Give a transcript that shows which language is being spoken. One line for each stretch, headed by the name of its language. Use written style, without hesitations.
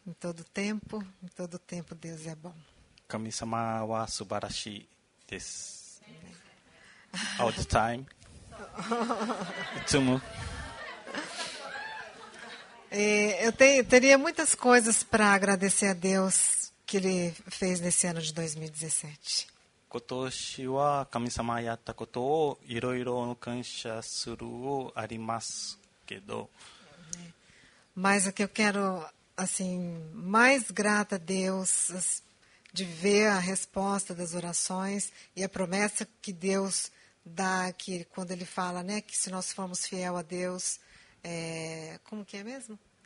Portuguese: Em todo tempo, em todo tempo Deus é bom.
Japanese: 神様は素晴らしいです。
English: All the time.
Japanese: いつも。
Portuguese: Eu teria muitas coisas para agradecer a Deus que Ele fez nesse ano de 2017.
Japanese: 今年は神様やったことをいろいろ感謝するをありますけど。
Portuguese: Mas o que eu quero, assim, mais grata a Deus. De ver a resposta das orações e a promessa que Deus dá, que quando Ele fala, né, que se nós formos fiel a Deus, como que é mesmo?